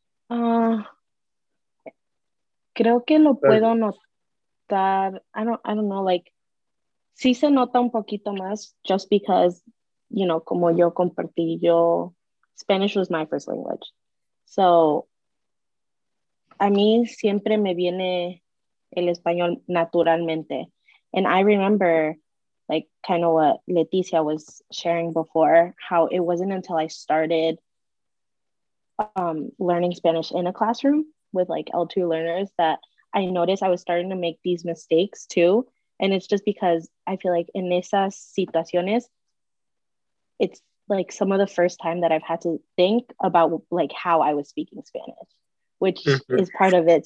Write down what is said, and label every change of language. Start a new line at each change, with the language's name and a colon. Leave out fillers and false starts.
Spanish: Creo que lo puedo notar.
English: I don't know, like,
Spanish: sí se nota un poquito más,
English: just because, you know,
Spanish: como yo compartí, yo,
English: Spanish was my first language.
Spanish: So, a mí siempre me viene el español naturalmente.
English: And I remember, like, kind of what Leticia was sharing before, how it wasn't until I started learning Spanish in a classroom with, like, L2 learners that I noticed I was starting to make these mistakes, too. And it's just because I feel like in
Spanish: esas situaciones,
English: it's, like, some of the first time that I've had to think about, like, how I was speaking Spanish, which is part of it.